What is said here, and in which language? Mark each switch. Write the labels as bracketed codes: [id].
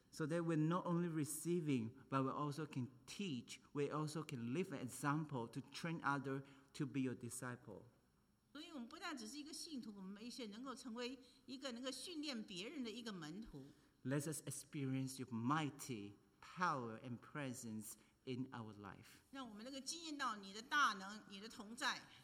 [en] So that we're not only receiving, but we also can teach, we also can live an example to train others to be your disciple. [zh] 所以我们不但只是一个信徒，我们一些能够成为一个能够训练别人的一个门徒。 [en] Let us experience your mighty. Power and presence in our life. [zh] 让我们能够经验到你的大能，你的同在。